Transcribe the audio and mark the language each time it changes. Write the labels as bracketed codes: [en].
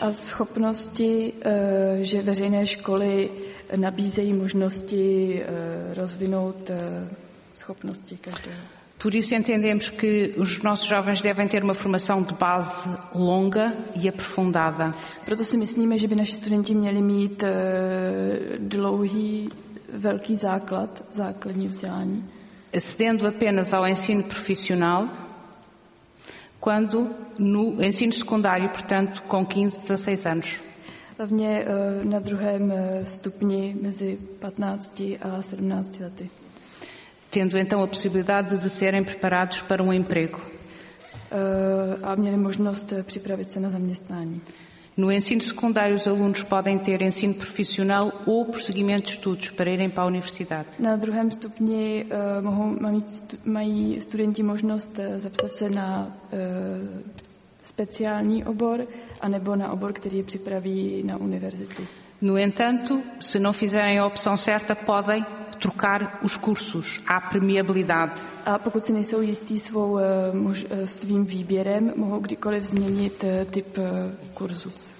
[cs] A schopnosti, že veřejné školy nabízejí možnosti rozvinout schopnosti každého. [pt] Por isso entendemos que os nossos jovens devem ter uma formação de base longa e aprofundada. [cs] Proto si myslíme, že by naši studenti měli mít dlouhý, velký základ, základní vzdělání. [pt] Acedendo apenas ao ensino profissional, quando no ensino secundário, portanto, com 15, 16 anos. [cs] Hlavně na druhém stupni mezi 15 a 17 lety. [pt] Tendo então a possibilidade de serem preparados para um emprego. [cs] A měli možnost připravit se na zaměstnání. [pt] No ensino secundário, os alunos podem ter ensino profissional ou prosseguimento de estudos para irem para a universidade. [cs] Na druhém stupni mají studenti možnost zapsat se na speciální obor anebo na obor, který je připraví na univerzitu. [pt] No entanto, se não fizerem a opção certa, podem trocar os cursos, há permeabilidade. [cs] A pokud si nejsou jistí svým výběrem, mohou kdykoliv změnit typ kurzu.